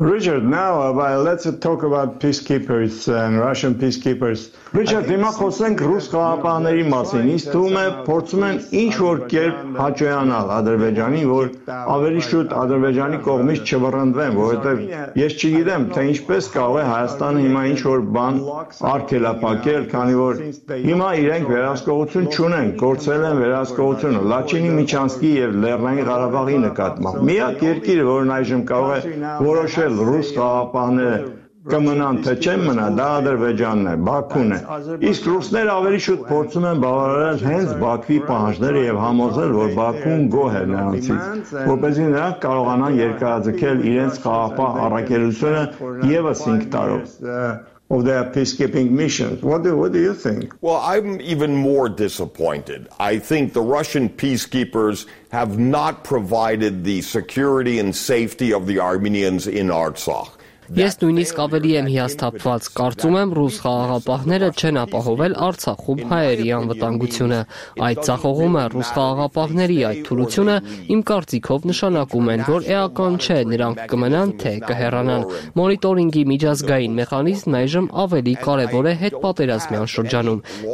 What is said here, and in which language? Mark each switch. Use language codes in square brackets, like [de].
[en] Richard, now let's talk about peacekeepers and Russian peacekeepers. [hy] Richard, հիմա խոսենք ռուս խաղապահների մասին։ Ինձ թվում է փորձում են ինչ որ կերպ հաջողանալ Ադրբեջանին, որ ավելի շուտ Ադրբեջանի կողմից չվռնդվեն, որովհետև ես չգիտեմ, թե ինչպես կարող է Հայաստանը հիմա ինչ որ բան արգելափակել, քանի որ հիմա իրենք վերահսկողություն չունեն, կորցել են վերահսկողությունը Լաչինի, Միջանսկի և Լեռնային Ղարաբաղի նկատմամբ։ Միակ երկիրը, որն այժմ կարող է որոշել ռուս խաղապահները կմնան, թե չեն մնա, դա Ադրբեջանն է, Բաքուն է, իսկ ռուսները ավելի շուտ փորձում են բավարարել հենց Բաքվի պահանջները և համոզել, որ Բաքուն գոհ է նրանցից, որպեսզի նրանք կարողանան երկարաձգել իրենց խաղապահ առաքելությունը ևս 5 տարով [en] of their peacekeeping missions. What do you think? Well, I'm even more disappointed. I think the Russian peacekeepers have not provided the security and safety of the Armenians in Artsakh. [hy] Ես նույնիսկ ավելի եմ հիասթափված, կարծում եմ ռուս խաղաղապահները չեն ապահովել Արցախում հայերի անվտանգությունը, այդ ցախողումը ռուս խաղաղապահների այդ թուլությունը իմ կարծիքով նշանակում են, որ էական չէ նրանք կմնան թե կհեռանան, մոնիտորինգի միջազգային մեխանիզմը այժմ ավելի կարևոր է հետպատերազմյան շրջանում,